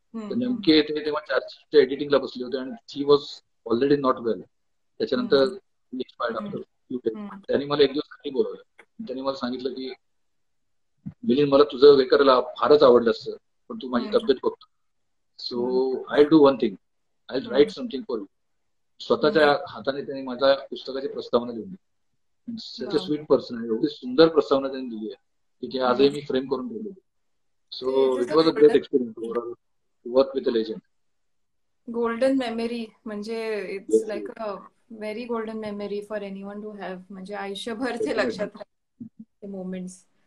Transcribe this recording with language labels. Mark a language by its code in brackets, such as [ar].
[mr] तर नेमके ते तेव्हा 4 शीटच्या एडिटिंगला बसले होते आणि [en] She was already not well. [mr] त्याच्यानंतर [en] expired after few days [mr] त्यांनी मला एक दिवस खाली बोलवलं. त्यांनी मला सांगितलं की मिलिंद मला तुझं वेकरला फारच आवडलं असतं पण तू माझी तब्येत बघतो. [en] So I do one thing I will write something for you. [mr] स्वतःच्या हाताने त्यांनी माझ्या पुस्तकाची प्रस्तावना लिहून दिली. [en] such a sweet person [mr] आहे. एवढी सुंदर प्रस्तावना त्यांनी दिली आहे की आजही मी फ्रेम करून ठेवली. [en] So it was a great experience to work with a legend. Golden memory म्हणजे it's like a very golden memory for anyone to have [mr] म्हणजे आयुष्यभर ते लक्षात राहील. [en] Moments.